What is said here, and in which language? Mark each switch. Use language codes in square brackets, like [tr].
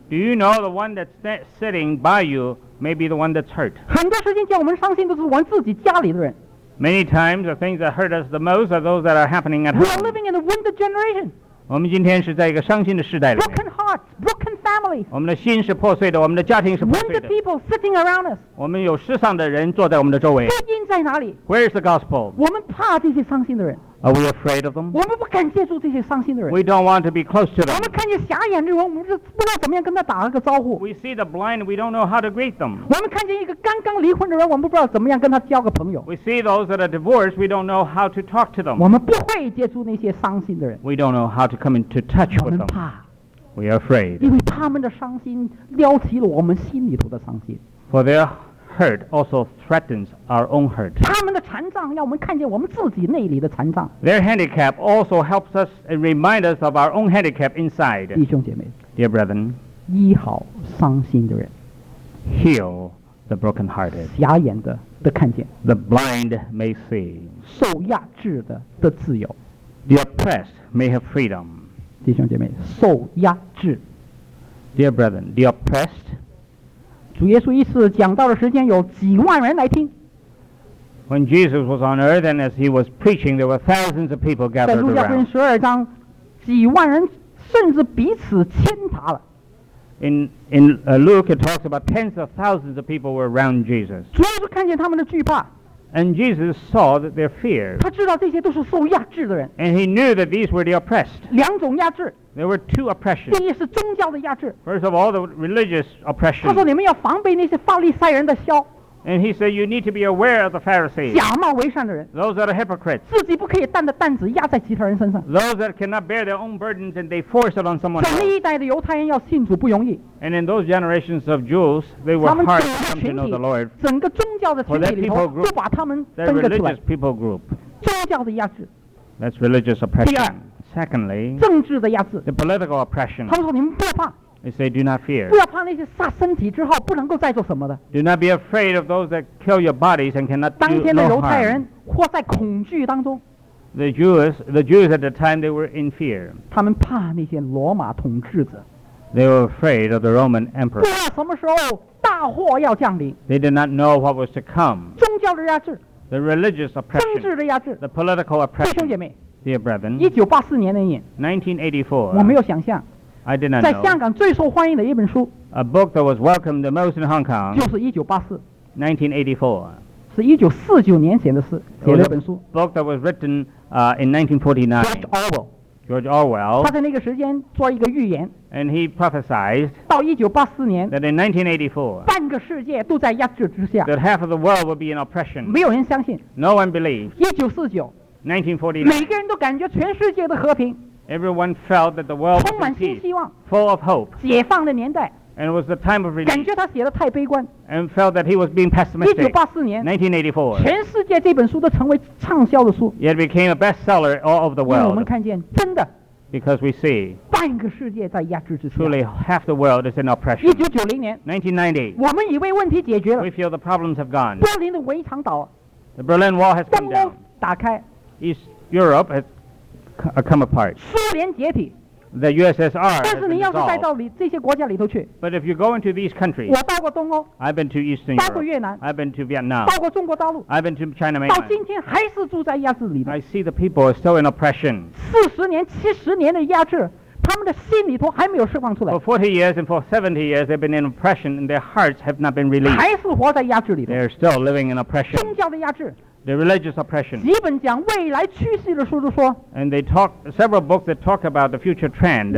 [en] Do you know the one that's sitting by you may be the one that's hurt? [zh] 很多事情叫我们伤心都是我们自己家里的人 [en] Many times the things that hurt us the most are those that are happening at home. We are living in a wounded generation. [zh] 我们今天是在一个伤心的时代里 [en] Broken hearts, broken families. [zh] 我们的心是破碎的我们的家庭是破碎的 [en] Wounded people sitting around us. [zh] 我们有失丧的人坐在我们的周围福音在哪里 [en] Where is the gospel? [zh] 我们怕这些伤心的人 [en] Are we afraid of them? [zh] 我们不敢接触这些伤心的人。 [en] We don't want to be close to them. [zh] 我们看见瞎眼的人，我们就不知道怎么样跟他打个招呼。 [en] We see the blind, we don't know how to greet them. [zh] 我们看见一个刚刚离婚的人，我们不知道怎么样跟他交个朋友。 [en] We see those that are divorced, we don't know how to talk to them. [zh] 我们不会接触那些伤心的人。 [en] We don't know how to come into touch with them. [zh] 我们怕。 [en] We are afraid. [zh] 因为他们的伤心撩起了我们心里头的伤心。 [en] For their hurt also threatens our own hurt. [zh] 他们的残障让我们看见我们自己内里的残障。 [en] Their handicap also helps us and reminds us of our own handicap inside. [zh] 弟兄姐妹 [en] ，Dear brethren, [zh] 医好伤心的人 [en] ，heal the brokenhearted. [zh] 瞎眼的得看见 [en] ，the blind may see. [zh] 受压制的得自由 [en] ，the oppressed may have freedom. [zh] 弟兄姐妹，受压制 [en] ，Dear brethren, the oppressed. [zh] 主耶稣一次讲道的时间有几万人来听。 [en] When Jesus was on earth and as he was preaching, there were thousands of people gathered around. [zh] 在路加福音十二章，几万人甚至彼此牵他了。 [en] In Luke, it talks about tens of thousands of people were around Jesus. [zh] 主耶稣看见他们的惧怕。 [en] And Jesus saw that their fear. [zh] 他知道这些都是受压制的人。 [en] And he knew that these were the oppressed. [zh] 两种压制。 [en] There were two oppressions. [zh] 第一是宗教的压制。 [en] First of all, the religious oppression. [zh] 他说你们要防备那些法利赛人的嚣。 [en] And he said you need to be aware of the Pharisees. [zh] 假冒为善的人。 [en] Those that are hypocrites. [zh] 自己不可以担的担子压在其他人身上。 [en] Those that cannot bear their own burdens and they force it on someone else. [zh] 在那一代的犹太人要信主不容易。 [en] And in those generations of Jews, they were hard to come to know the Lord. [zh] 整个宗教的群体里头就把他们分割出来。 [en] Their religious people group. [zh] 宗教的压制。 [en] That's religious oppression. [zh] 第二。 [en] Secondly, [zh] 政治的压制 [en] the political oppression. [zh] 他们说你们不要怕 [en] They say do not fear. [zh] 不要怕那些杀身体之后不能够再做什么的 [en] Do not be afraid of those that kill your bodies and cannot do no harm. [zh] 当天的犹太人活在恐惧当中 [en] The Jews at the time they were in fear. [zh] 他们怕那些罗马统治者 [en] They were afraid of the Roman emperor. [zh] 不知道什么时候大祸要降临 [en] They did not know what was to come. [zh] 宗教的压制 [en] The religious oppression. [zh] 政治的压制 [en] The political oppression. [zh] 弟兄姐妹 [en] Dear brethren, [zh] 1984年那年 [en] 1984, [zh] 我没有想象 [en] I did not know, [zh] 在香港最受欢迎的一本书 [en] A book that was welcomed the most in Hong Kong [zh] 就是1984 [en] 1984 [zh] 是1949年写的诗写了一本书 [en] A book that was written in 1949 [zh] George Orwell 他在那个时间做一个预言 [en] And he prophesied [zh] 到1984年 [en] That in 1984 [zh] 半个世界都在压制之下 [en] That half of the world would be in oppression [zh] 没有人相信 [en] No one believed [zh] 1949每个人都感觉全世界的和平 [en] Everyone felt that the world [zh] 充满新希望 [en] Full of hope [zh] 解放的年代 [en] And it was the time of release [zh] 感觉他写得太悲观 [en] And felt that he was being pessimistic [zh] 1984年 [en] 1984 [zh] 全世界这本书都成为畅销的书 [en] Yet it became a bestseller all over the world [zh] 因为我们看见真的 [en] Because we see [zh] 半个世界在压制之下 [en] Truly half the world is in oppression [zh] 1990年 [en] 1990 [zh] 我们以为问题解决了 [en] We feel the problems have gone [zh] 柏林的围墙倒 [en] The Berlin Wall has come down [zh] 灯光打开 [en] East Europe has come apart. [zh] 苏联解体。 [en] The USSR. [zh] 但是你要是带到里这些国家里头去。 [en] But if you go into these countries. [zh] 我到过东欧。 [en] I've been to Eastern Europe. [zh] 到过越南。 [en] I've been to Vietnam. [zh] 到过中国大陆。 [en] I've been to China mainland. [zh] 到今天还是住在压制里头。 [en] I see the people are still in oppression. [zh] 四十年、七十年的压制，他们的心里头还没有释放出来。 [en] For 40 years and for 70 years, they've been in oppression, and their hearts have not been released. [zh] 还是活在压制里头。 [en] They're still living in oppression. [zh] 宗教的压制。 [en] The religious oppression. [zh] 几本讲未来趋势的书都说。 [en] And they talk several books that talk about the future trend.